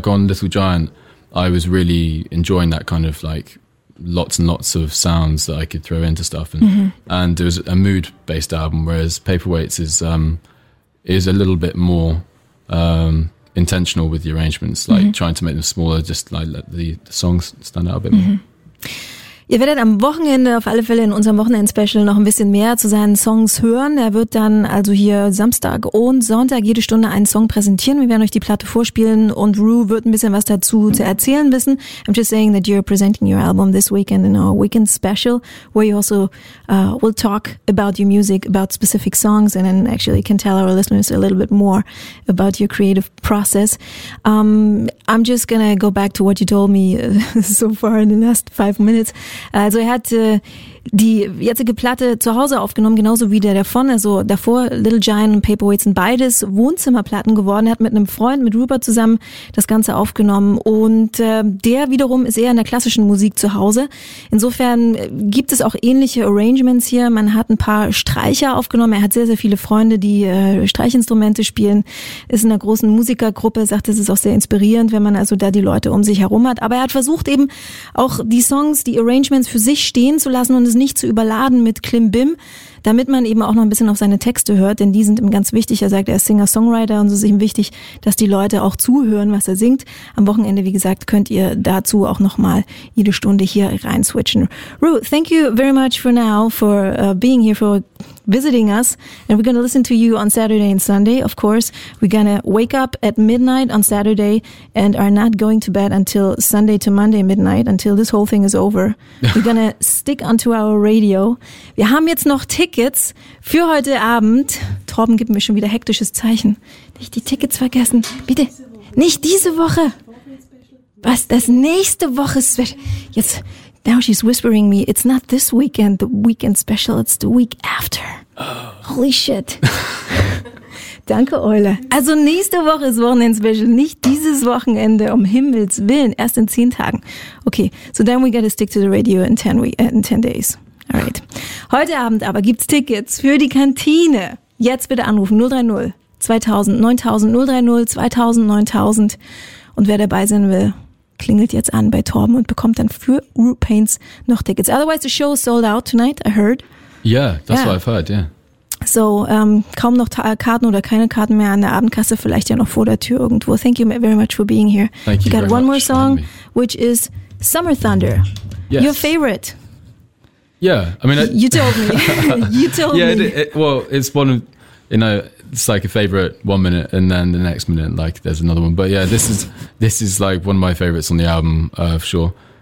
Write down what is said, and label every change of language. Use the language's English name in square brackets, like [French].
[English] Like on Little Giant, I was really enjoying that kind of like lots and lots of sounds that I could throw into stuff. And, mm-hmm. and it was a mood-based album, whereas Paperweights is a little bit more... intentional with the arrangements, like mm-hmm. trying to make them smaller, just like let the songs stand out a bit mm-hmm. more. [German] Ihr werdet am Wochenende auf alle Fälle in unserem Wochenend-Special noch ein bisschen mehr zu seinen Songs hören. Er wird dann also hier Samstag und Sonntag jede Stunde einen Song präsentieren. Wir werden euch die Platte vorspielen und Rue wird ein bisschen was dazu zu erzählen wissen. [English] I'm just saying that you're presenting your album this weekend in our weekend special, where you also will talk about your music, about specific songs, and then actually can tell our listeners a little bit more about your creative process. I'm just gonna go back to what you told me so far in the last 5 minutes. [German] Also er hat die jetzige Platte zu Hause aufgenommen, genauso wie der davon. Also davor, Little Giant und Paperweights sind beides Wohnzimmerplatten geworden. Er hat mit einem Freund, mit Rupert zusammen, das Ganze aufgenommen. Und der wiederum ist eher in der klassischen Musik zu Hause. Insofern gibt es auch ähnliche Arrangements hier. Man hat ein paar Streicher aufgenommen. Er hat sehr, sehr viele Freunde, die Streichinstrumente spielen. Ist in einer großen Musikergruppe. Sagt, es ist auch sehr inspirierend, wenn man also da die Leute um sich herum hat. Aber er hat versucht eben auch die Songs, die Arrangements für sich stehen zu lassen und es nicht zu überladen mit Klimbim, damit man eben auch noch ein bisschen auf seine Texte hört, denn die sind ihm ganz wichtig. Er sagt, er ist Singer-Songwriter und es ist ihm wichtig, dass die Leute auch zuhören, was er singt. Am Wochenende, wie gesagt, könnt ihr dazu auch nochmal jede Stunde hier rein switchen. [English] Ru, thank you very much for now, for being here, for visiting us. And we're going to listen to you on Saturday and Sunday, of course. We're going to wake up at midnight on Saturday and are not going to bed until Sunday to Monday midnight, until this whole thing is over. We're going to stick onto our radio. [German] Wir haben jetzt noch Tickets für heute Abend. Torben gibt mir schon wieder hektisches Zeichen. Nicht die Tickets vergessen. Bitte. Nicht diese Woche. Was? Das nächste Woche Special. Jetzt. [English] Now she's whispering me, it's not this weekend, the weekend special, it's the week after. Oh. Holy shit. [German] Danke, [English] Eule. [German] Also nächste Woche ist Wochenend-Special, nicht dieses Wochenende, um Himmels Willen, erst in 10 Tagen. [English] Okay, so then we gotta stick to the radio in 10 days. Alright. [German] Heute Abend aber gibt's Tickets für die Kantine. Jetzt bitte anrufen, 030 2000 9000 030 2000 9000. Und wer dabei sein will, klingelt jetzt an bei Torben und bekommt dann für Urpaints noch Tickets. [English] Otherwise the show is sold out tonight, I heard. Yeah, that's what I've heard, yeah. [German] So, kaum noch Karten oder keine Karten mehr an der Abendkasse, vielleicht ja noch vor der Tür irgendwo. [English] Thank you very much for being here. Thank you very much. We got one more song, which is Summer Thunder. Yes. Your favorite. Yeah, I mean... You told me. Yeah, it's one of, you know, it's like a favorite 1 minute and then the next minute, like there's another one. But yeah, this is like one of my favorites on the album, for sure.